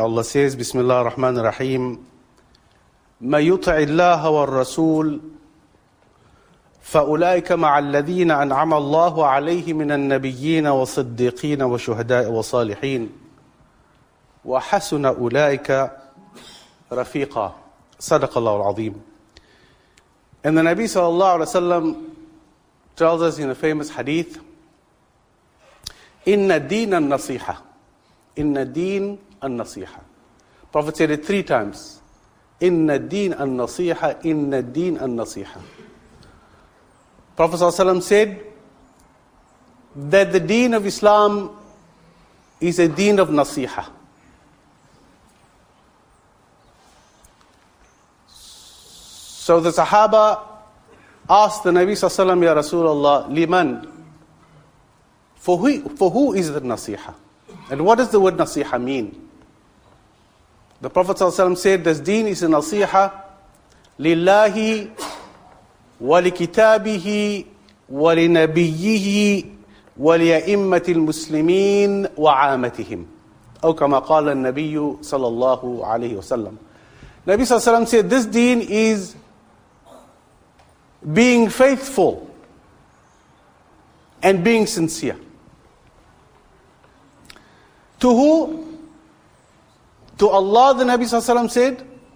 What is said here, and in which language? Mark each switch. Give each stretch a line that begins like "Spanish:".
English: Allah says,
Arabic: Bismillah ar-Rahman ar-Rahim, مَا يُطْعِ اللَّهَ وَالرَّسُولِ فَأُولَٰئِكَ مَعَ الَّذِينَ أَنْعَمَ اللَّهُ عَلَيْهِ مِنَ النَّبِيِّينَ وَصِدِّقِينَ وَشُهَدَاءِ وَصَالِحِينَ وَحَسُنَ أُولَٰئِكَ رَفِيقًا. صدق الله العظيم.
English: And the Nabi sallallahu alayhi wa sallam tells us in a famous hadith,
Arabic: إِنَّ الدِّينَ النَّصِيحَةِ إِنَّ الدِّينَ النَّصِيحَةِ.
English: Prophet said it three times.
Arabic: إِنَّ الدِّينَ النَّصِيحَةِ إِنَّ الدِّينَ النَّصِيحَةِ.
English: Prophet ﷺ said that the deen of Islam is a deen of nasiha. So the Sahaba asked the Nabi ﷺ, Ya Rasulullah, liman? For who is the nasiha? And what does the word nasiha mean? The Prophet ﷺ said, this deen is a nasiha lillahi
Arabic: ولكتابه ولنبيه وليأمة المسلمين وعامتهم أو كما قال النبي صلى الله عليه وسلم.
English: النبي صلى الله عليه وسلم said this deen is being faithful and being sincere. To who? To Allah, the Nabi صلى الله عليه وسلم said.